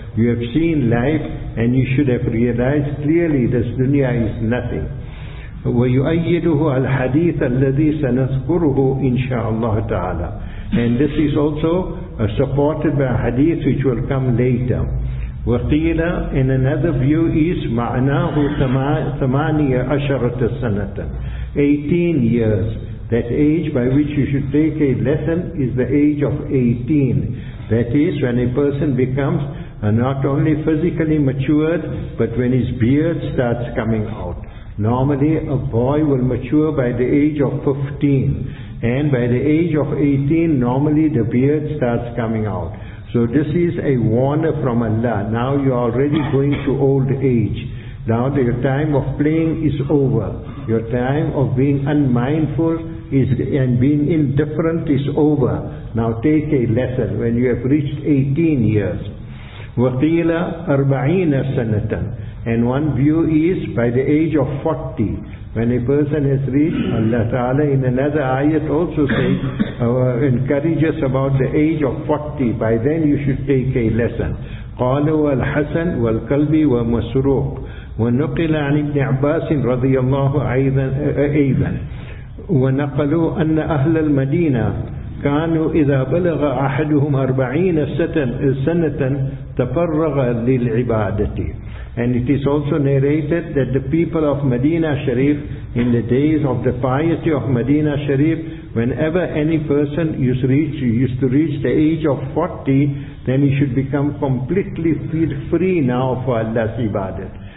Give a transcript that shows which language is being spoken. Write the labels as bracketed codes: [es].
[en] You have seen life and you should have realized clearly this dunya is nothing. [ar] وَيُؤَيِّدُهُ الْحَدِيثَ الَّذِي سَنَذْكُرُهُ إِنْشَاءَ اللَّهُ تَعَالَى. [en] And this is also supported by a hadith which will come later. [ar] وَقِيلَ, [en] and another view is, [ar] مَعْنَاهُ ثَمَانِيَ أَشَرَةَ سَنَةً. [en] 18 years. That age by which you should take a lesson is the age of 18. That is when a person becomes not only physically matured, but when his beard starts coming out. Normally a boy will mature by the age of 15. And by the age of 18, normally the beard starts coming out. So this is a warning from Allah. Now you are already going to old age. Now your time of playing is over. Your time of being unmindful is and being indifferent is over. Now take a lesson when you have reached 18 years. [ar] وَقِيلَ أَرْبَعِينَ سَنَةً. [en] And one view is by the age of 40. When a person has reached, Allah Ta'ala in another ayat also says, encourages about the age of 40. By then you should take a lesson. [ar] قَالُوا وَالْحَسَنْ وَالْقَلْبِ وَمَسْرُوقٍ. ونقل عن ابن عباس رضي الله أيضا ونقلوا أن أهل المدينة كانوا إذا بلغ أحدهم 40 سنة تفرغ للعبادة. [en] And it is also narrated that the people of Medina Sharif, in the days of the piety of Medina Sharif, whenever any person used to reach the age of 40, then he should become completely free now for Allah's ibadat.